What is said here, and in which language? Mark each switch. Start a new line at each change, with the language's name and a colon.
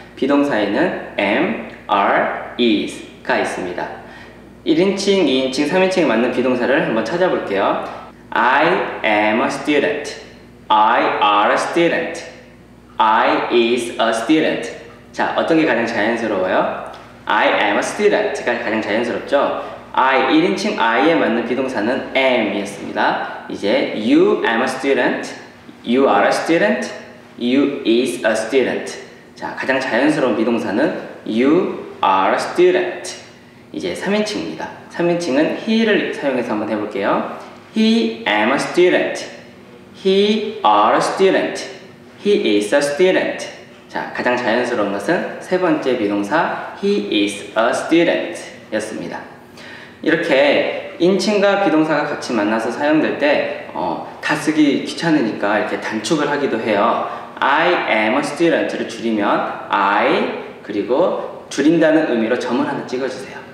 Korean: 비동사에는 am, are, is가 있습니다. 1인칭, 2인칭, 3인칭에 맞는 비동사를 한번 찾아볼게요.
English: I am a student. I are a student. I is a student.
Korean: 자, 어떤 게 가장 자연스러워요?
English: I am a student가
Korean: 가장 자연스럽죠? I, 1인칭 I에 맞는 비동사는 am이었습니다.
English: 이제 you am a student, you are a student, you is a student.
Korean: 자, 가장 자연스러운 비동사는
English: you are a student.
Korean: 이제 3인칭입니다. 3인칭은 he를 사용해서 한번 해볼게요.
English: He am a student, he are a student, he is a student.
Korean: 자, 가장 자연스러운 것은 세 번째 비동사
English: he is a student
Korean: 였습니다. 이렇게 인칭과 비동사가 같이 만나서 사용될 때 다 쓰기 귀찮으니까 이렇게 단축을 하기도 해요.
English: I am a student
Korean: 를 줄이면 I, 그리고 줄인다는 의미로 점을 하나 찍어주세요.